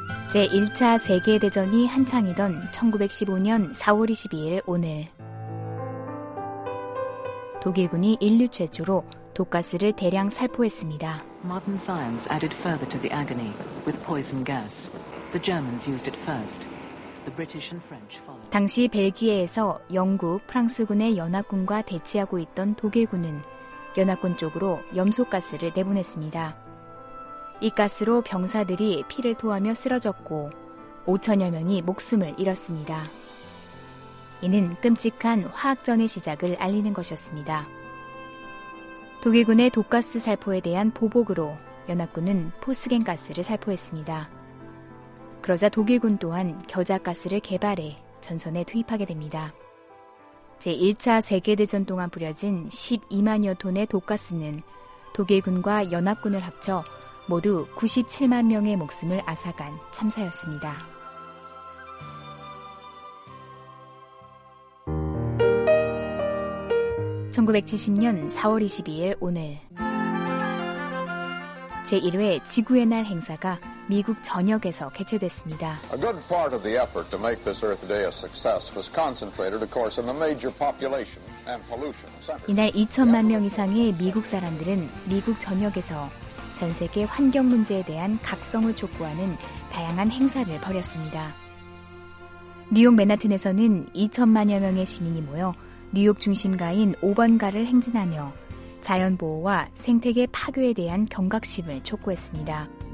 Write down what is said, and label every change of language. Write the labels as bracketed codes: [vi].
[ko] 제1차 세계대전이 한창이던 1915년 4월 22일 오늘, 독일군이 인류 최초로 독가스를 대량 살포했습니다. [en] Modern science added further to the agony with poison gas. The Germans used it first. The British and French followed. [ko] 당시 벨기에에서 영국, 프랑스군의 연합군과 대치하고 있던 독일군은 연합군 쪽으로 염소가스를 내보냈습니다. 이 가스로 병사들이 피를 토하며 쓰러졌고 5천여 명이 목숨을 잃었습니다. 이는 끔찍한 화학전의 시작을 알리는 것이었습니다. 독일군의 독가스 살포에 대한 보복으로 연합군은 포스겐 가스를 살포했습니다. 그러자 독일군 또한 겨자가스를 개발해 전선에 투입하게 됩니다. 제1차 세계대전 동안 뿌려진 12만여 톤의 독가스는 독일군과 연합군을 합쳐 모두 97만 명의 목숨을 앗아간 참사였습니다. 1970년 4월 22일 오늘, 제1회 지구의 날 행사가 미국 전역에서 개최됐습니다. [en] A good part of the effort to make this Earth Day a success was concentrated, of course, in the major population and pollution. [ko] 이날 2천만 명 이상의 미국 사람들은 미국 전역에서 전 세계 환경 문제에 대한 각성을 촉구하는 다양한 행사를 벌였습니다. 뉴욕 맨하튼에서는 2천만여 명의 시민이 모여 뉴욕 중심가인 5번가를 행진하며 자연 보호와 생태계 파괴에 대한 경각심을 촉구했습니다.